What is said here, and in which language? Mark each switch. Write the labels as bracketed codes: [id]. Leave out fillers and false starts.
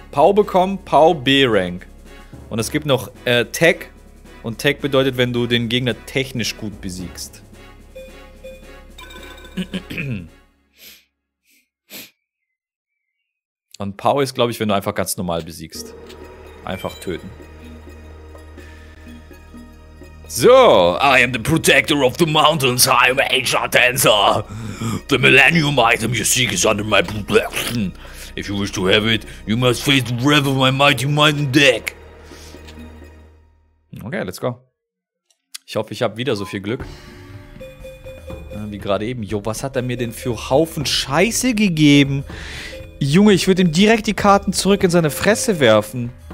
[de] Pau bekommen, Pau B-Rank. Und es gibt noch Tag. Und Tag bedeutet, wenn du den Gegner technisch gut besiegst. Und Pau ist, glaube ich, wenn du einfach ganz normal besiegst. Einfach töten. [en] So, I am the protector of the mountains, I am HR Dancer. The millennium item you seek is under my protection. If you wish to have it, you must face the wrath of my mighty mind and deck. Okay, let's go. [de] Ich hoffe, ich habe wieder so viel Glück. Wie gerade eben. Jo, was hat er mir denn für Haufen Scheiße gegeben? Junge, ich würde ihm direkt die Karten zurück in seine Fresse werfen.